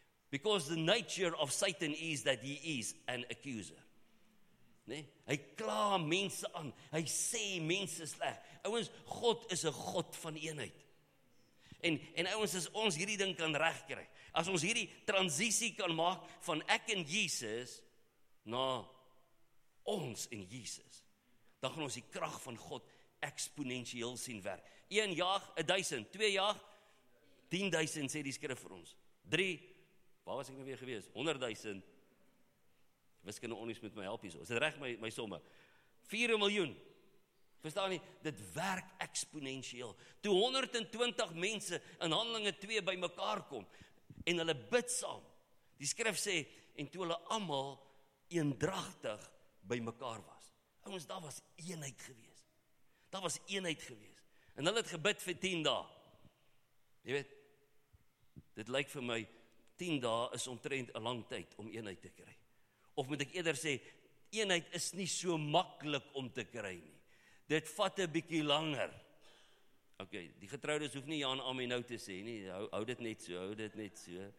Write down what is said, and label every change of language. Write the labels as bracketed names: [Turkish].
[English] Because the nature of Satan is that he is an accuser. [Afrikaans] Nee, hy kla mense aan, hy sê mense sleg. Ouens, God is 'n God van eenheid. En ouens, as ons hierdie ding kan regkry, as ons hierdie transisie kan maak van ek en Jesus na ons en Jesus, dan gaan ons die krag van God eksponensieel sien werk. 1 jaag, 1000, 2 jaag, 10,000 sê die skrif vir ons. 3, waar was ek nou weer gewees? 100,000, wiskunde onnies moet my help hier, is dit reg my somme? 4 miljoen. Verstaan nie, dit werk eksponensieel. Toe 120 mense in Handelinge 2 by mekaar kom, en hulle bid saam. Die skrif sê, en toe hulle allemaal eendragtig by mekaar was. Ouens, daar was eenheid gewees. Daar was eenheid gewees. En hulle het gebid vir 10 dae. Jy weet, dit lyk vir my, 10 dae is omtrent 'n lang tyd om eenheid te kry. Of moet ek eerder sê, eenheid is nie so maklik om te kry nie. Dit vat 'n bietjie langer. Oké, okay, die getroudes hoef nie ja en amen nou te sê nie. Hou dit net so, hou dit net so.